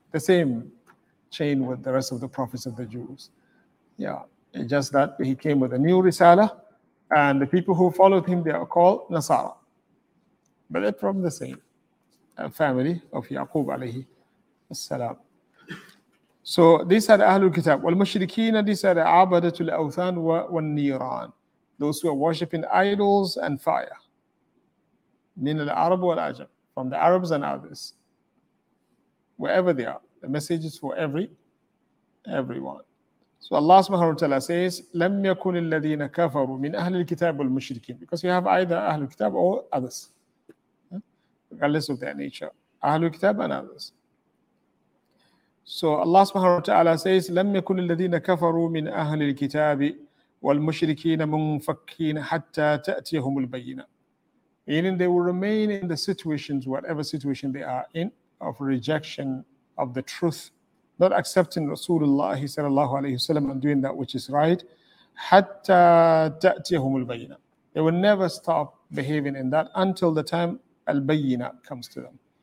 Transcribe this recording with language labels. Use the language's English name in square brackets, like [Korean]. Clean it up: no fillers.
[English] The same chain with the rest of the prophets of the Jews. Yeah, it's just that he came with a new risala. And the people who followed him, they are called Nasara. But they're from the same family of Yaqub alayhi salam. So these are the Ahlul Kitab. [Arabic] والمشركين, [English] these are the [Arabic] عبادة الأوثان والنيران. [English] Those who are worshipping idols and fire. [Arabic] من العرب والعجم. [English] From the Arabs and others. Wherever they are. The message is for everyone. So Allah subhanahu wa ta'ala says, [Arabic] لَمْ يَكُنِ الَّذِينَ كَفَرُوا مِنْ أَهْلِ الْكِتَابِ وَالْمُشْرِكِينَ. [English] Because you have either Ahlul Kitab or others, regardless of their nature, Ahlul Kitab and others. So Allah subhanahu wa ta'ala says, [Arabic] لَمْ يَكُنِ الَّذِينَ كَفَرُوا مِنْ أَهْلِ الْكِتَابِ وَالْمُشْرِكِينَ مُنْفَكِّينَ حَتَّى تَأْتِيَهُمُ الْبَيِّنَةُ. [English] Meaning they will remain in the situations, whatever situation they are in, of rejection of the truth, not accepting Rasulullah sallallahu alayhi wa sallam and doing that which is right, [Arabic] hatta ta'tihum al-bayyina. [English] They will never stop behaving in that until the time al-bayyina comes to them.